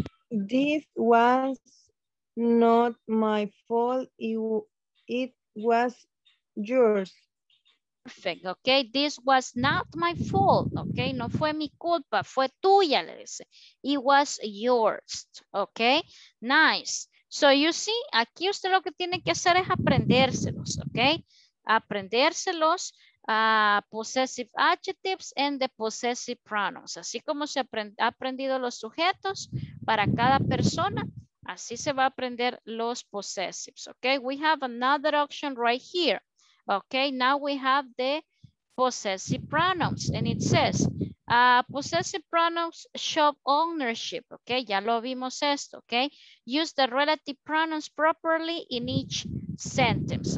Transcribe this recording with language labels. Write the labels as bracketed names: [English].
[English] This was not my fault, it was yours. Perfect, okay. This was not my fault, okay. [Spanish] No fue mi culpa, fue tuya, le dice. [English] It was yours, okay. Nice. So you see, [Spanish] aquí usted lo que tiene que hacer es aprendérselos, okay. Aprendérselos, [English] possessive adjectives and the possessive pronouns. [Spanish] Así como se ha aprendido los sujetos para cada persona, así se va a aprender los possessives, okay. [English] We have another option right here. Okay, now we have the possessive pronouns, and it says possessive pronouns show ownership. Okay, [Spanish] ya lo vimos esto. [English] Okay, use the relative pronouns properly in each sentence.